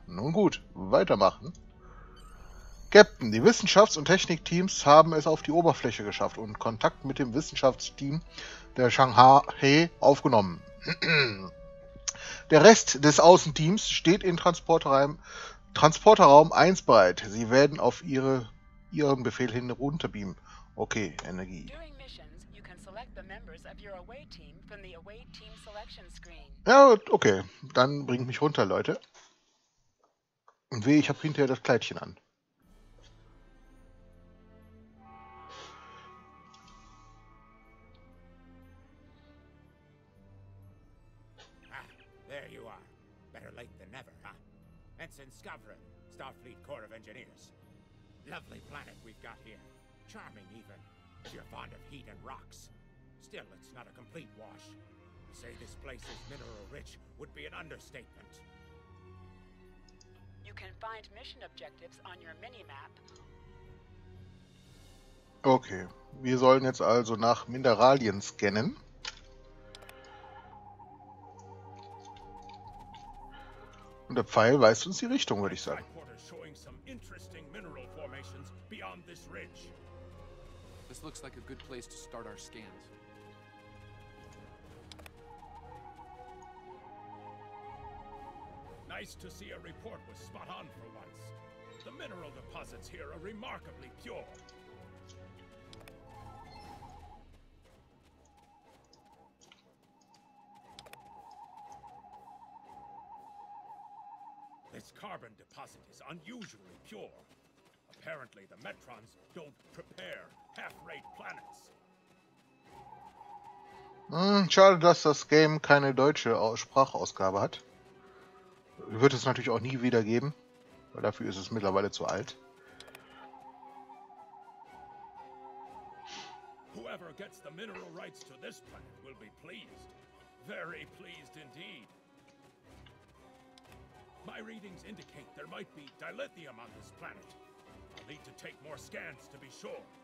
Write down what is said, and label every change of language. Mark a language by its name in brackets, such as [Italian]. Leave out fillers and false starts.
[German] Nun gut, weitermachen. Captain, die Wissenschafts- und Technikteams haben es auf die Oberfläche geschafft und Kontakt mit dem Wissenschaftsteam der Shanghai aufgenommen. Der Rest des Außenteams steht in Transporterraum 1 bereit. Sie werden auf ihren Befehl hin runterbeamen. Okay, Energie. [English] During missions, you can select the members of your away team from the away team selection screen. [German] Ja, okay. Dann bringt mich runter, Leute. Und weh, ich hab hinterher das Kleidchen an. [English] Ah, there you are. Better late than never, huh? Ensign Scovran, Starfleet Corps of Engineers. Lovely planet we've got here. Charming, even. You're fond of heat and rocks. Still, it's not a complete wash. To say this place is mineral-rich would be an understatement. You can find mission objectives on your mini-map. [German] Okay, wir sollen jetzt also nach Mineralien scannen. Und der Pfeil weist uns die Richtung, würde ich sagen. [English] Headquarters showing some interesting mineral formations beyond this ridge. This looks like a good place to start our scans. Nice to see a report was spot on for once. The mineral deposits here are remarkably pure. This carbon deposit is unusually pure. Apparently, the Metrons don't prepare half-rate planets. [German] Schade, dass das Game keine deutsche Sprachausgabe hat. Wird es natürlich auch nie wieder geben, weil dafür ist es mittlerweile zu alt. [English] Whoever gets the mineral rights to this planet will be pleased. Very pleased indeed. My readings indicate there might be dilithium on this planet. Need to take more scans to be sure.